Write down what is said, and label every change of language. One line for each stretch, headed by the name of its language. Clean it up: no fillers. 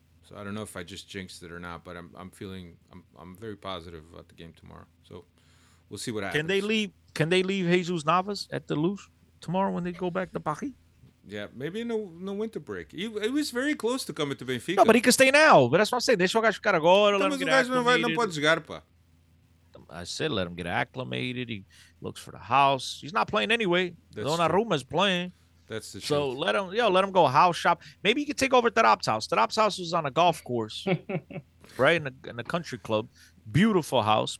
English: So I don't know if I just jinxed it or not, but I'm very positive about the game tomorrow. So we'll see what happens. Can they leave Jesus Navas at the Luz tomorrow when they go back to Paris? Yeah, maybe in the winter break. He was very close to coming to Benfica. No, but he could stay now. But that's what I'm saying.
Portuguese: Deixa o gajo ficar agora. Mas o gajo não pode jogar, pá.
English: I said let him get acclimated. He looks for the house. He's not playing anyway. Donnarumma's playing. That's the truth. So let him go house shop. Maybe he could take over Tarap's house. Tarap's house was on a golf course. right? In a country club, beautiful house.